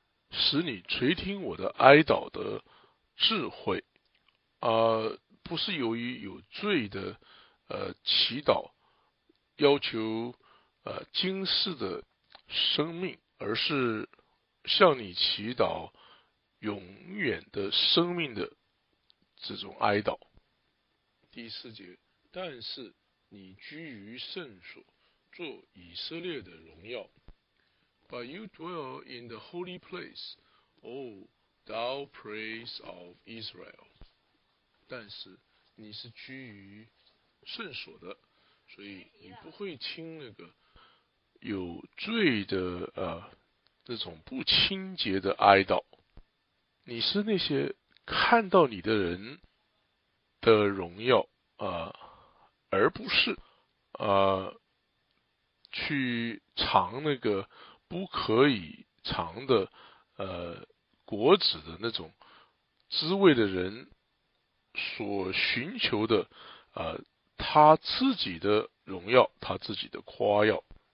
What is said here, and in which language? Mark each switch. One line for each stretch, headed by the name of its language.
Chinese: 使你垂听我的哀悼的智慧，不是由于有罪的祈祷要求今世的生命，而是向你祈祷永远的生命的这种哀悼。第四节，但是你居于圣所，做以色列的荣耀。
English: But you dwell in the holy place, O thou praise of Israel.
Chinese: 但是你是居于圣所的，所以你不会听那个有罪的这种不清洁的哀悼。你是那些看到你的人的荣耀，而不是去尝那个不可以尝的果子的那种滋味的人所寻求的他自己的荣耀，他自己的夸耀。